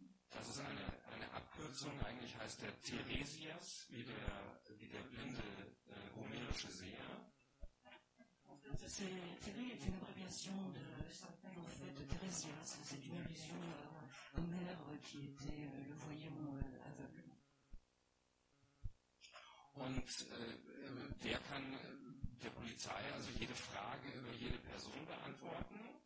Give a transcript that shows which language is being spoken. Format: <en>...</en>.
<de>Das ist eine Abkürzung, eigentlich heißt der Theresias, wie der blinde homerische Seher.</de> <fr>Thierry est une abréviation de certains, en fait, de Theresias, c'est une allusion à Homer qui était le voyant aveugle.</fr> <de>Und der kann der Polizei also jede Frage über jede Person beantworten.</de>